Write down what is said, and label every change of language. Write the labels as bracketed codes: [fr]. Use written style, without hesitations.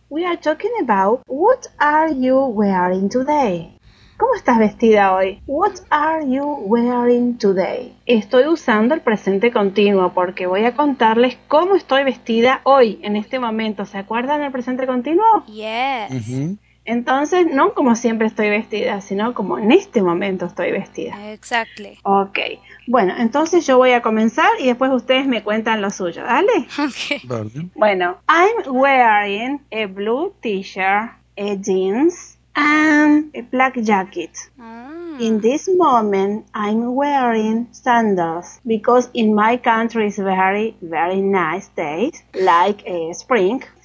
[en] We are talking about, what are you wearing today? [es] ¿Cómo estás vestida hoy? [en] What are you wearing today? [es] Estoy usando el presente continuo porque voy a contarles cómo estoy vestida hoy, en este momento. ¿Se acuerdan del presente continuo? [en] Yes. Uh-huh. [es] Entonces, no como siempre estoy vestida, sino como en este momento estoy vestida. [en] Exactly. Ok. [es] Bueno, entonces yo voy a comenzar y después ustedes me cuentan lo suyo, ¿dale? [en] Ok. Bueno, I'm wearing a blue t-shirt, a jeans, and a black jacket. Mm. In this moment, I'm wearing sandals because in my country it's very, very nice day, like a spring.